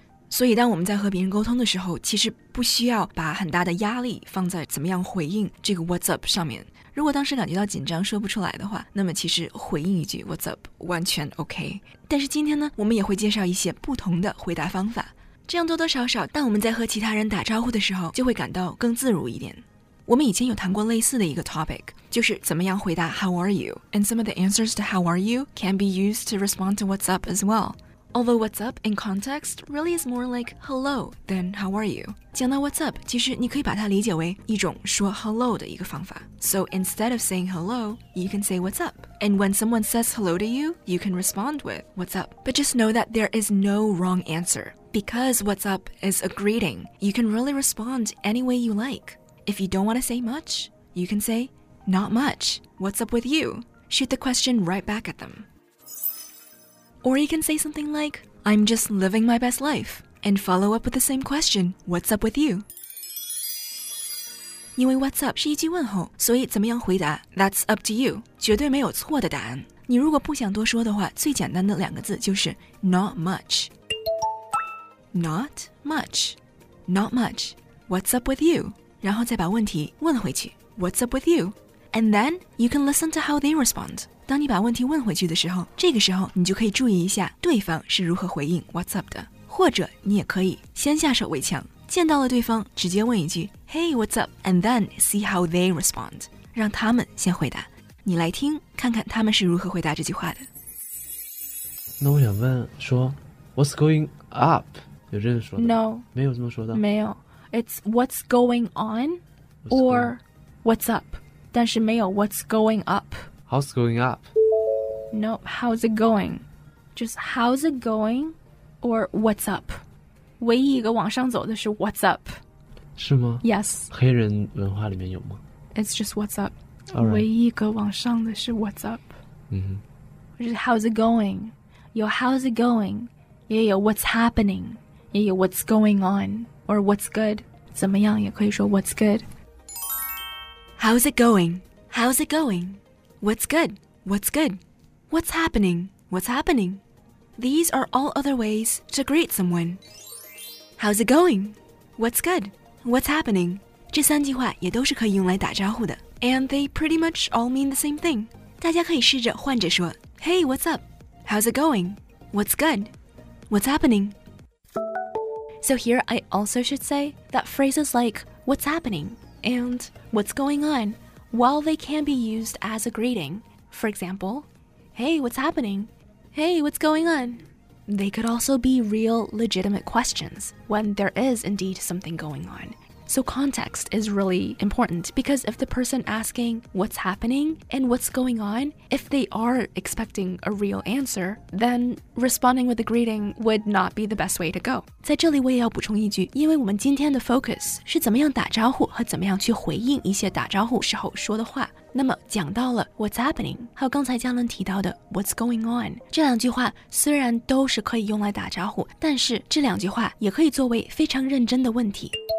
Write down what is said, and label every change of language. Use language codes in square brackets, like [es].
[zh] 所以当我们在和别人沟通的时候，其实不需要把很大的压力放在怎么样回应这个 what's up 上面。如果当时感觉到紧张说不出来的话，那么其实回应一句 what's up 完全 OK。但是今天呢，我们也会介绍一些不同的回答方法，这样多多少少当我们在和其他人打招呼的时候就会感到更自如一点。我们以前有谈过类似的一个 topic， 就是怎么样回答 how are you， [en] and some of the answers to how are you can be used to respond to what's up as well。 Although what's up in context really is more like hello than how are you. [zh] 讲到 what's up, 其实你可以把它理解为一种说 hello 的一个方法。 [en] So instead of saying hello, you can say what's up. And when someone says hello to you, you can respond with what's up. But just know that there is no wrong answer. Because what's up is a greeting, you can really respond any way you like. If you don't want to say much, you can say not much. What's up with you? Shoot the question right back at them. Or you can say something like, I'm just living my best life, and follow up with the same question, what's up with you? [zh] 因为 what's up 是一句问候，所以怎么样回答 [en] that's up to you, [zh] 绝对没有错的答案。你如果不想多说的话，最简单的两个字就是 not much. [en] Not much. Not much. What's up with you? [zh] 然后再把问题问回去 what's up with you? [en] And then you can listen to how they respond. [zh] 当你把问题问回去的时候，这个时候你就可以注意一下对方是如何回应 what's up 的。或者你也可以先下手为强，见到了对方直接问一句 hey what's up [en] and then see how they respond， [zh] 让他们先回答，你来听看看他们是如何回答这句话的。那我想问说 what's going up， 有这样说的 [en] no， [zh] 没有这么说的，没有， [en] it's what's going on or what's up， [zh] 但是没有 [en] what's going up How's going up? No, how's it going? Just how's it going or what's up? [zh] 唯一一个往上走的是 what's up. 是吗？ [en] Yes. [zh] 黑人文化里面有吗？ [en] It's just what's up. Alright. [zh] 唯一一个往上的是 what's up. 嗯哼。 [en] 就是 how's it going? 有 how's it going? 也有 what's happening? 也有 what's going on? Or what's good? [zh] 怎么样也可以说 what's good? [en] How's it going? How's it going? What's good? What's good? What's happening? What's happening? These are all other ways to greet someone. How's it going? What's good? What's happening? [zh] 这三句话也都是可以用来打招呼的。 [en] And they pretty much all mean the same thing. [zh] 大家可以试着换着说 Hey, what's up? [en] How's it going? What's good? What's happening? So here I also should say that phrases like what's happening and what's going onWhile they can be used as a greeting, for example, Hey, what's happening? Hey, what's going on? They could also be real, legitimate questions when there is indeed something going on. So context is really important because if the person asking what's happening and what's going on, if they are expecting a real answer, then responding with a greeting would not be the best way to go. [zh] 在这里我也要补充一句，因为我们今天的 focus 是怎么样打招呼和怎么样去回应一些打招呼时候说的话。那么讲到了 what's happening, 还有刚才嘉伦提到的 what's going on, 这两句话虽然都是可以用来打招呼，但是这两句话也可以作为非常认真的问题。